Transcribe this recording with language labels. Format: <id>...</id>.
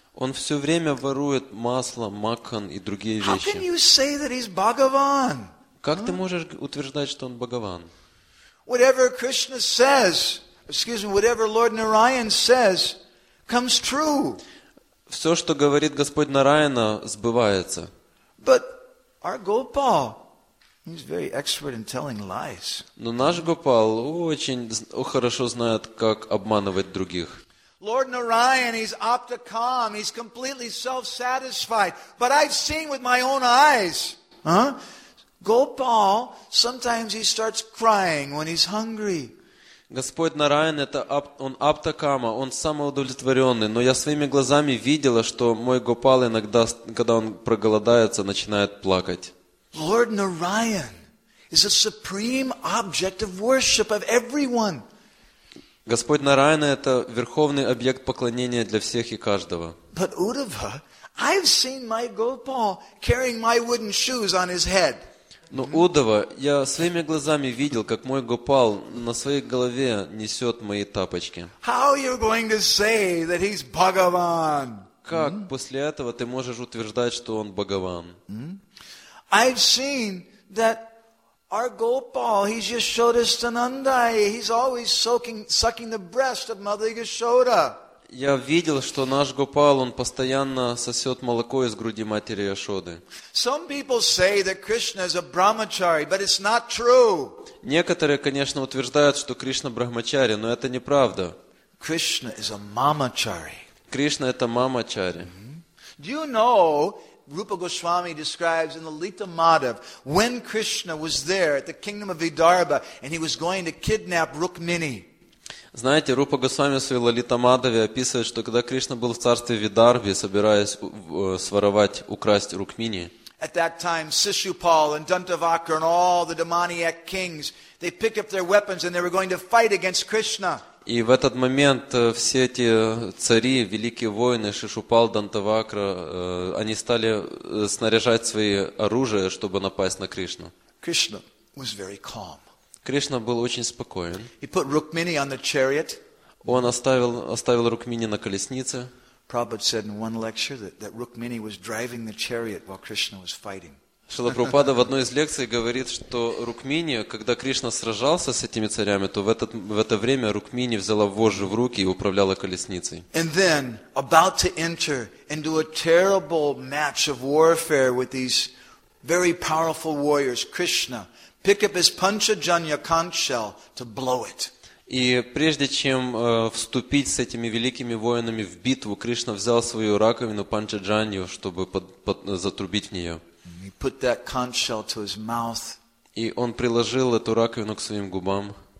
<ru>Он все время ворует масло, макхан и другие вещи.</ru> <en>How can you say that he's Bhagavan?</en> <ru>Как ты можешь утверждать, что он Бхагаван?</ru> <en>Whatever Krishna says, whatever Lord Narayan says, comes true.</en> <ru>Все, что говорит Господь Нараяна, сбывается.</ru> <en>But our Gopal, he's very expert in telling lies.</en> <ru>Но наш Гопал очень хорошо знает, как обманывать других.</ru> <en>Lord Narayan, he's optimum, he's completely self-satisfied. But I've seen with my own eyes. Gopal, sometimes he starts crying when he's hungry.</en> <ru>Господь Нараян это он аптакама, он самоудовлетворенный. Но я своими глазами видела, что мой Гопал иногда, когда он проголодается, начинает плакать.</ru> <en>Lord Narayan is a supreme object of worship of everyone.</en> <ru>Господь Нараяна это верховный объект поклонения для всех и каждого.</ru> <en>But Uddhava, I've seen my Gopal carrying my wooden shoes on his head.</en> <ru>Но Удава, я своими глазами видел, как мой Гопал на своей голове несет мои тапочки.</ru> <en>How are you going to say that he's Bhagavan?</en> <ru>Как после этого ты можешь утверждать, что он Бхагаван?</ru> <en>I've seen that our Gopal, he's Yashoda Sanandai. He's always sucking the breast of Mother Yashoda.</en> <ru>Я видел, что наш Гопал, он постоянно сосет молоко из груди матери Яшоды.</ru> <en>Some people say that Krishna is a brahmachari, but it's not true.</en> <ru>Некоторые, конечно, утверждают, что Кришна брахмачари, но это неправда.</ru> <en>Krishna is a mamachari.</en> <ru>Кришна это мамачари.</ru> <en>Do you know, Rupa Goswami describes in the Lita Madhav, when Krishna was there at the kingdom of Vidarbha and he was going to kidnap Rukmini.</en> <ru>Знаете, Рупа Госвами в своей Лалитамадаве описывает, что когда Кришна был в царстве Видарби, собираясь своровать, украсть Рукмини,</ru> <en>at that time, Sishupal and Dantavakra and all the demoniac kings, they picked up their weapons and they were going to fight against Krishna.</en> <ru>И в этот момент все эти цари, великие воины, Шишупал, Дантавакра, они стали снаряжать свои оружия, чтобы напасть на Кришну.</ru> <en>Krishna was very calm.</en> <ru>Кришна был очень спокоен.</ru> <en>He put Rukmini on the chariot.</en> <ru>Он оставил Рукмини на колеснице.</ru> <en>Prabhupada said in one lecture that Rukmini was driving the chariot while Krishna was fighting.</en> <ru>Шрила Прабхупада в одной из лекций говорит, что Рукмини, когда Кришна сражался с этими царями, то в это время Рукмини взяла вожжи в руки и управляла колесницей.</ru> <en>And then about to enter into a terrible match of warfare with these very powerful warriors, Krishna picked up his panchajanya conch shell to blow it.</en> <ru>И прежде чем вступить с этими великими воинами в битву, Кришна взял свою раковину панчаджанью, чтобы затрубить в нее.</ru> <en>He put that conch shell to his mouth.</en> <ru>И он приложил эту раковину к своим губам.</ru>